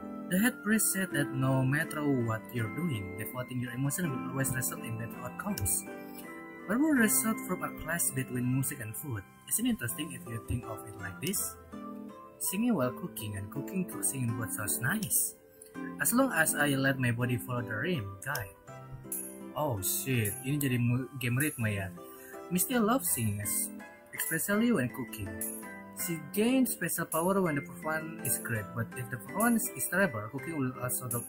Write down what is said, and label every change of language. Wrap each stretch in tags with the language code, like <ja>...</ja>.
<en>The head priest said that no matter what you're doing, devoting your emotion will always result in better outcomes. What will result from a clash between music and food? Isn't it interesting if you think of it like this? Singing while cooking and cooking to singing both sounds nice. As long as I let my body follow the rhythm, guy. Oh shit,</en> <id>ini jadi game ritme ya.</id> <en>Misty loves singing, especially when cooking. She gains special power when the performance is great, but if the performance is terrible, cooking will also drop.</en>